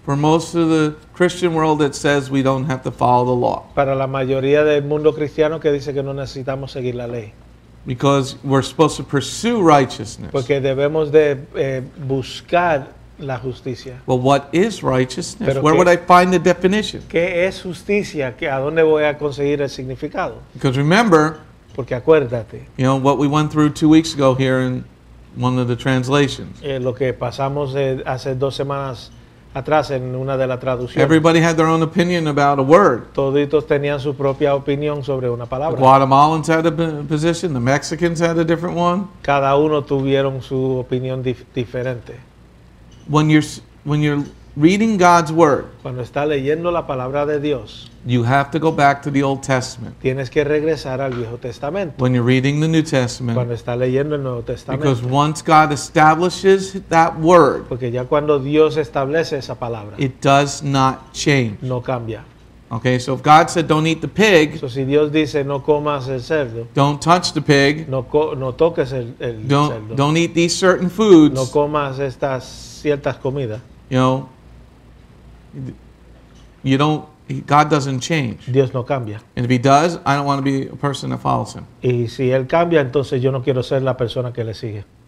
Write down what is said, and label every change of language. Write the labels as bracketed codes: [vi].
[en] For most of the Christian world that says we don't have to follow the law. [es] Para la mayoría del mundo cristiano que dice que no necesitamos seguir la ley. [en] Because we're supposed to pursue righteousness. [es] Porque debemos de buscar la justicia. [en] Well, what is righteousness? [es] Pero [en] where would I find the definition? [es] ¿Qué es justicia? ¿A dónde voy a conseguir el significado? [en] Because remember, [es] porque acuérdate, [en] you know, what we went through 2 weeks ago here in one of the translations. [es] Lo que pasamos hace dos semanas atrás en una de las traducciones. [en] Everybody had their own opinion about a word. [es] Toditos tenían su propia opinión sobre una palabra. [en] The Guatemalans had a position. The Mexicans had a different one. [es] Cada uno tuvieron su opinión diferente. [en] When you're reading God's word, [es] cuando está leyendo la palabra de Dios, [en] you have to go back to the Old Testament. [es] Tienes que regresar al Viejo Testamento. [en] When you're reading the New Testament, [es] cuando está leyendo el Nuevo Testamento, [en] because once God establishes that word, [es] porque ya cuando Dios establece esa palabra, [en] it does not change. [es] No cambia. [en] Okay, so if God said don't eat the pig, [es] so si Dios dice no comas el cerdo, [en] don't touch the pig, [es] no toques el cerdo, [en] don't eat these certain foods, [es] no comas estas ciertas comidas, [en] you know, you don't, God doesn't change. [es] Dios no cambia. [en] And if he does, I don't want to be a person that follows him. [es] Y si él cambia, entonces yo no quiero ser la persona que le sigue.